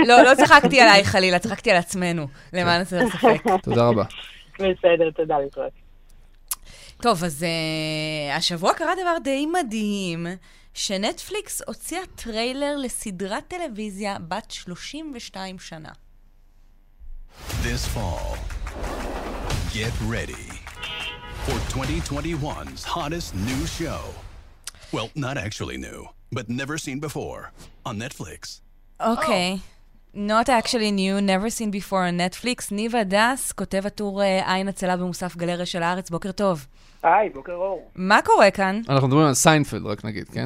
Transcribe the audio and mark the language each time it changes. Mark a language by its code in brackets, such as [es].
[he] לא, לא צחקתי עליי חלילה, צחקתי על עצמנו, למען זה ספק. תודה רבה. בסדר, תודה לקרות. טוב, אז השבוע קרה דבר די מדהים, שנטפליקס הוציאה טריילר לסדרת טלוויזיה בת 32 שנה. [en] This fall, get ready for 2021's hottest new show. Well, not actually new, but never seen before on Netflix. Okay. Not actually new, never seen before on Netflix. [he] ניבה דס, כותב הטור עין הצלה במוסף גלריה של הארץ. בוקר טוב. היי, בוקר אור. מה קורה כאן? אנחנו מדברים על סיינפלד, רק נגיד, כן?